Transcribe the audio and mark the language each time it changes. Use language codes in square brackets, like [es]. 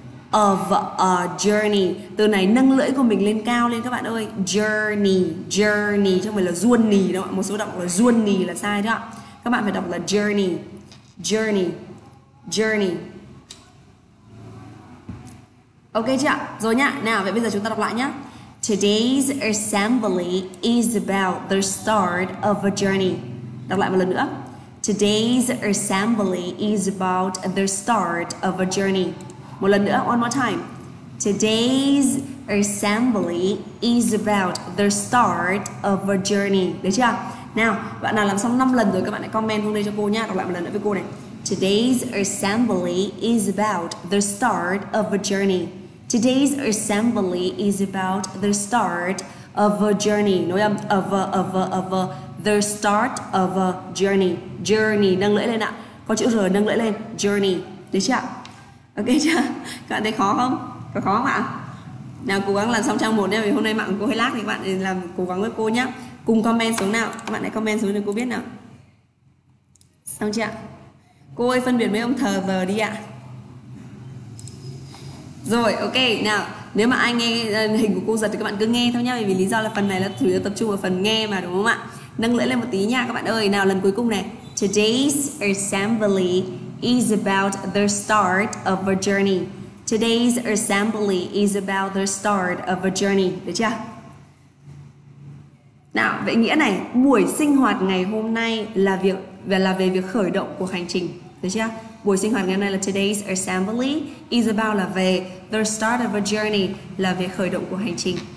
[en] Of a journey, [vi] từ này nâng lưỡi của mình lên cao lên các bạn ơi. Journey, journey, chứ không phải là journey đâu. Một số đọc là journey là sai đó. Các bạn phải đọc là journey, journey, journey. Ok chưa ạ? Rồi nhá. Nào, vậy bây giờ chúng ta đọc lại nhá. [en] Today's assembly is about the start of a journey. [vi] Đọc lại một lần nữa. [en] Today's assembly is about the start of a journey. [vi] Một lần nữa, [en] one more time. Today's assembly is about the start of a journey. [vi] Được chưa? Nào, bạn nào làm xong 5 lần rồi các bạn hãy comment luôn đây cho cô nhá. Đọc lại một lần nữa với cô này. [en] Today's assembly is about the start of a journey. Today's assembly is about the start of a journey. [vi] Nói âm [en] of a, the start of a journey. [vi] Journey, nâng lưỡi lên ạ. Có chữ R nâng lưỡi lên. Journey, được chưa ạ? Ok chưa? Các bạn thấy khó không? Có khó không ạ? Nào, cố gắng làm xong trang 1 nha. Vì hôm nay mạng cô hơi lag thì các bạn làm cố gắng với cô nhá. Cùng comment xuống nào. Các bạn hãy comment xuống để cô biết nào. Xong chưa ạ? Cô ơi, phân biệt mấy ông thờ giờ đi ạ. Rồi, ok, nào, nếu mà ai nghe hình của cô giật thì các bạn cứ nghe thôi nhá, vì lý do là phần này là chủ yếu tập trung vào phần nghe mà, đúng không ạ? Nâng lưỡi lên một tí nha các bạn ơi. Nào, lần cuối cùng này. [en] Today's assembly is about the start of a journey. Today's assembly is about the start of a journey. [vi] Được chưa? Nào, vậy nghĩa này, buổi sinh hoạt ngày hôm nay là việc và là về việc khởi động của hành trình. Được chưa? Buổi sinh hoạt ngày hôm nay là [en] today's assembly is about [vi] là về [en] the start of a journey, [vi] là về khởi động của hành trình.